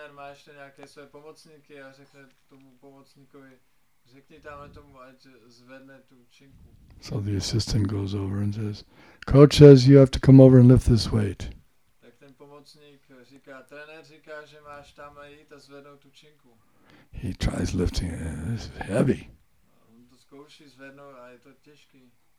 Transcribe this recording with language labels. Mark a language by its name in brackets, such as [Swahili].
[Czech] Ještě nějaké své pomocníky a řekne tomu pomocníkovi, řekni tamhle tomu, ať zvedne tu činku. [English] So the assistant goes over and says, coach says you have to come over and lift this weight. [Czech] Tak ten pomocník říká, trenér říká, že máš tam jít a zvednout tu činku. [English] He tries lifting it, it's heavy. [Czech] On to zkouší zvednout a je to těžký.